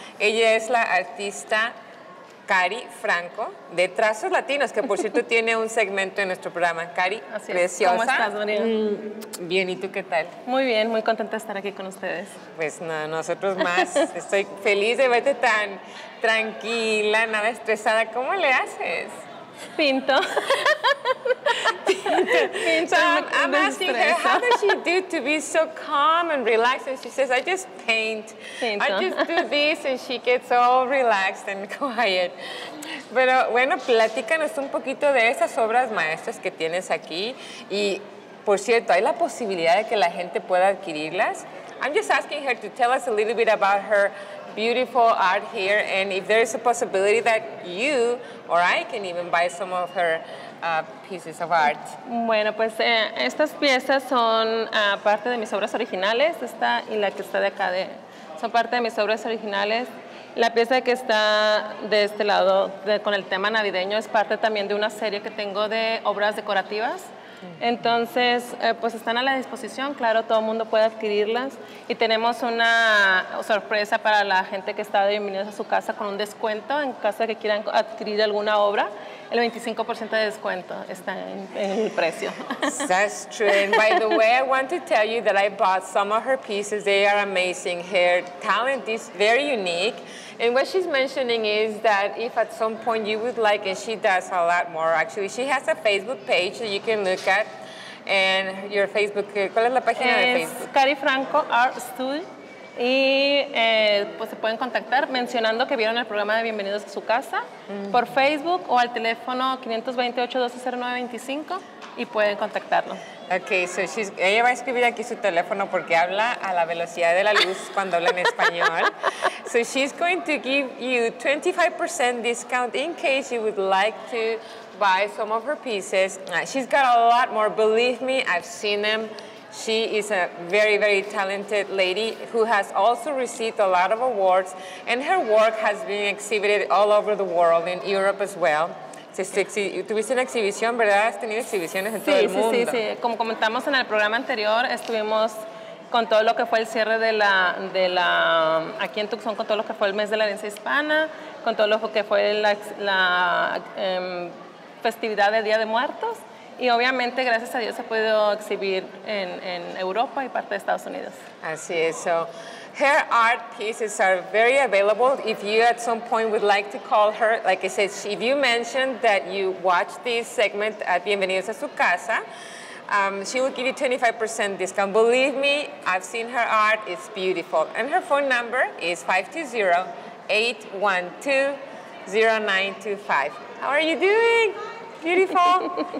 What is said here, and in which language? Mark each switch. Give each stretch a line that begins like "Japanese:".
Spanish: Ella es la artista Cari Franco, de Trazos Latinos, que por cierto tiene un segmento en nuestro programa. Cari, preciosa. ¿Cómo estás, Daniel? Bien, ¿y tú qué tal? Muy bien, muy contenta de estar aquí con ustedes. Pues nada, no, nosotros más. Estoy feliz de verte tan tranquila, nada estresada. ¿Cómo le haces? Pinto. Pinto.
English: I'm asking her, how does she do to be so calm and relaxed? And she says, I just paint.
Spanish: Pinto.
English: I just do this and she gets all relaxed and quiet.
Spanish: Pero bueno, platícanos un poquito de esas obras maestras que tienes aquí. Y por cierto, ¿hay la posibilidad de que la gente pueda adquirirlas?
English: I'm just asking her to tell us a little bit about her beautiful art here, and if there is a possibility that you or I can even buy some of her pieces of art.
Spanish: Bueno, pues estas piezas son parte de mis obras originales. Esta y la que está de acá son parte de mis obras originales. La pieza que está de este lado con el tema navideño es parte también de una serie que tengo de obras decorativas. Entonces, pues están a la disposición, claro, todo el mundo puede adquirirlas. Y tenemos una sorpresa para la gente que está de Bienvenidos a su Casa con un descuento en caso de que quieran adquirir alguna obra. El 25% de descuento está en el precio.
English: That's true. And by the way, I want to tell you that I bought some of her pieces. They are amazing. Her talent is very unique. And what she's mentioning is that if at some point you would like, and she does a lot more, actually, she has a Facebook page that you can look at, and your Facebook,
Spanish: ¿cuál es la página de Facebook? Es Cari Franco Art Studio, y pues se pueden contactar mencionando que vieron el programa de Bienvenidos a su Casa por Facebook o al teléfono 528-1209-25 y pueden contactarlo.
English: Okay, so
Spanish: ella va a escribir aquí su teléfono porque habla a la velocidad de la luz cuando habla en español.
English: So she's going to give you 25% discount in case you would like to buy some of her pieces. She's got a lot more, believe me, I've seen them. She is a very, very talented lady who has also received a lot of awards, and her work has been exhibited all over the world, in Europe as well.
Spanish: Tuviste una exhibición, ¿verdad? Has tenido exhibiciones en todo el mundo. Sí. Como comentamos en el programa anterior, estuvimos con todo lo que fue el cierre de la aquí en Tucson, con todo lo que fue el mes de la herencia hispana, con todo lo que fue la festividad del Día de Muertos. Y obviamente, gracias a Dios, se pudo exhibir en Europa y parte de Estados Unidos. Así es.
English: So, her art pieces are very available. If you at some point would like to call her, like I said, if you mentioned that you watch this segment at Bienvenidos a su Casa, she will give you 25% discount. Believe me, I've seen her art. It's beautiful. And her phone number is 520-812-0925. How are you doing? Beautiful.